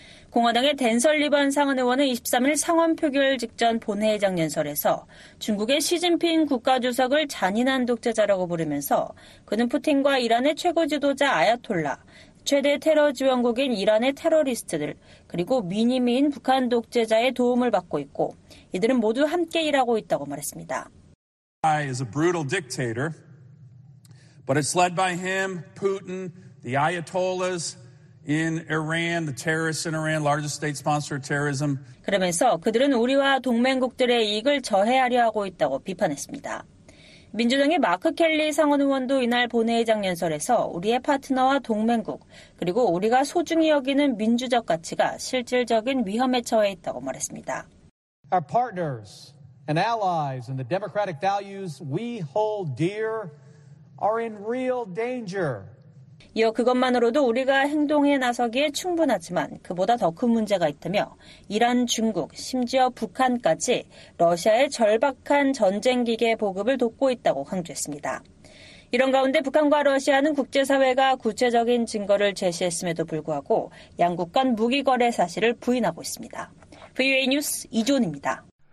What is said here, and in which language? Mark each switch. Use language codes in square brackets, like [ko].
[ko] 공화당의 댄 설리번 상원 의원은 23일 상원 표결 직전 본회의장 연설에서 중국의 시진핑 국가주석을 잔인한 독재자라고 부르면서 그는 푸틴과 이란의 최고 지도자 아야톨라, 최대 테러 지원국인 이란의 테러리스트들, 그리고 미니미인 북한 독재자의 도움을 받고 있고 이들은 모두 함께 일하고 있다고 말했습니다. [en] I is a brutal dictator, but it's led by him, Putin, the Ayatollahs, in Iran, the terrorists in Iran, largest state sponsor of terrorism. [ko] 그러면서 그들은 우리와 동맹국들의 이익을 저해하려 하고 있다고 비판했습니다. 민주당의 마크 켈리 상원 의원도 이날 본회의장 연설에서 우리의 파트너와 동맹국, 그리고 우리가 소중히 여기는 민주적 가치가 실질적인 위험에 처해 있다고 말했습니다. [en] Our partners and allies and the democratic values we hold dear are in real danger. [ko] 이어 그것만으로도 우리가 행동에 나서기에 충분하지만 그보다 더 큰 문제가 있다며 이란, 중국, 심지어 북한까지 러시아의 절박한 전쟁기계 보급을 돕고 있다고 강조했습니다. 이런 가운데 북한과 러시아는 국제사회가 구체적인 증거를 제시했음에도 불구하고 양국 간 무기 거래 사실을 부인하고 있습니다. VOA 뉴스 이존입니다.